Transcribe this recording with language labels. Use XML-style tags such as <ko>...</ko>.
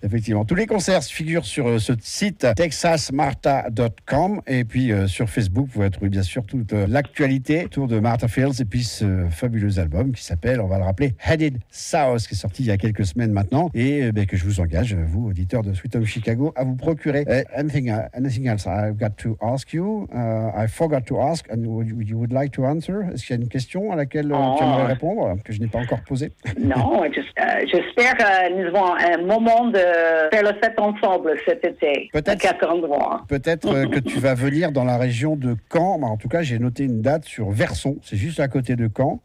<fr>Effectivement, tous les concerts figurent sur ce site texasmartha.com. Et puis sur Facebook, vous pouvez trouver bien sûr toute l'actualité autour de Martha Fields et puis ce fabuleux album qui s'appelle, on va le rappeler, Headed South, qui est sorti il y a quelques semaines maintenant. Et que je vous engage, vous, auditeurs de Sweet Home Chicago, à vous procurer.</fr> <en>Anything else I've got to ask you? I forgot to ask and you would like to answer?</en> <fr>Est-ce qu'il y a une question à laquelle tu aimerais répondre que je n'ai pas encore posée? Non, j'espère que nous avons un moment de faire la fête ensemble cet été. Peut-être, à quatre endroits. Peut-être que tu vas venir dans la région de Caen. Mais en tout cas, j'ai noté une date sur Verson. C'est juste à côté de Caen.</fr>